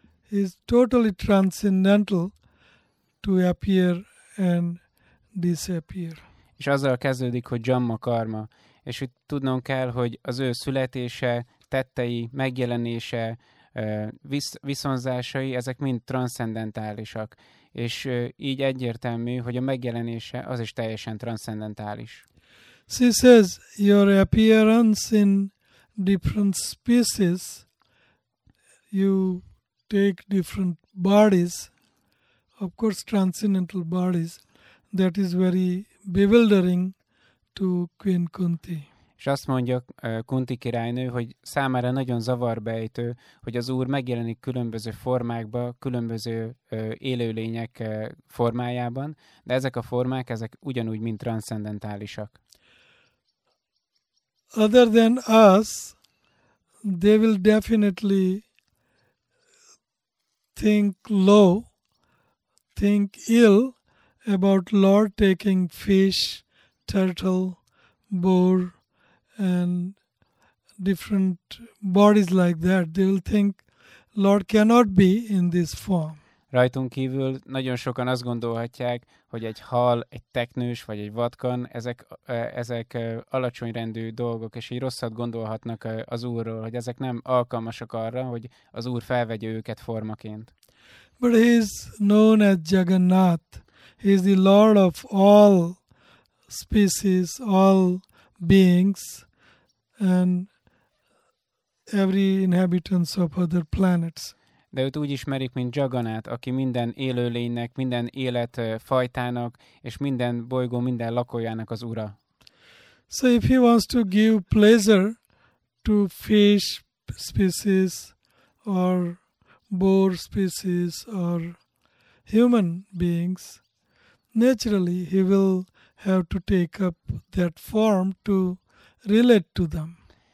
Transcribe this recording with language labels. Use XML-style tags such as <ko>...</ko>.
<en>He is totally transcendental to appear and disappear.</en> <hu>És azzal kezdődik, hogy janma karma, és hogy tudnom kell, hogy az ő születése, tettei, megjelenése, viszonzásai, ezek mind transzcendentálisak. És így egyértelmű, hogy a megjelenése az is teljesen transzcendentális.</hu> <en>She says, your appearance in different species, you take different bodies, of course transcendental bodies, that is very bewildering to Queen Kunti.</en> <hu>És azt mondja Kunti királynő, hogy számára nagyon zavarbejtő, hogy az Úr megjelenik különböző formákba, különböző élőlények formájában, de ezek a formák, ezek ugyanúgy, mint transzcendentálisak.</hu> <en>Other than us, they will definitely think low, think ill about Lord taking fish, turtle, boar, and different bodies like that, they will think Lord cannot be in this form.</en> <hu>Rajtunk kívül nagyon sokan azt gondolhatják, hogy egy hal, egy teknős vagy egy vatkan, ezek alacsony rendű dolgok, és így rosszat gondolhatnak az Úrról, hogy ezek nem alkalmasak arra, hogy az Úr felvegye őket formaként.</hu> <en>But he is known as Jagannath. He is the Lord of all species, all beings and every inhabitants of other planets.</en> <hu>De őt úgy ismerik, mint Jagannath, aki minden élőlénynek, minden életfajtának és minden bolygó, minden lakójának az ura.</hu> <en>So if he wants to give pleasure to fish species or boar species or human beings, naturally he will have to take up that form to relate to them.</en>